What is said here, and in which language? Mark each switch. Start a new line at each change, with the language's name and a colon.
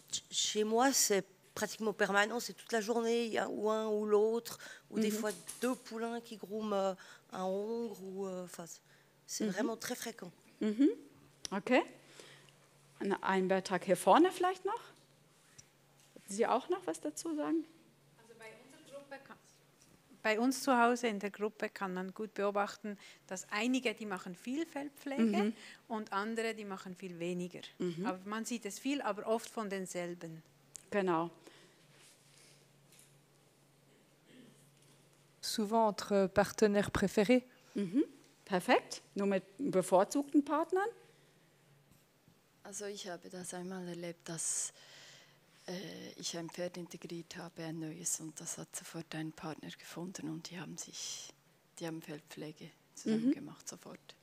French: Chez moi, c'est pratiquement permanent, c'est toute la journée, il y a ou un ou l'autre, ou des fois deux poulains qui grooment un hongre, ou, c'est vraiment très fréquent.
English: Okay.
German: Ein Beitrag hier vorne vielleicht noch? Sie auch noch was dazu sagen? Also bei unserer Gruppe bei uns zu Hause in der Gruppe kann man gut beobachten, dass einige, die machen viel Fellpflege und andere, die machen viel weniger. Mhm. Aber man sieht es viel, aber oft von denselben. Genau.
French: Souvent entre partenaires préférés.
German: Perfekt. Nur mit bevorzugten Partnern? Also ich habe das einmal erlebt, dass ich ein Pferd integriert habe, ein neues, und das hat sofort einen Partner gefunden und die haben Fellpflege zusammen gemacht, sofort.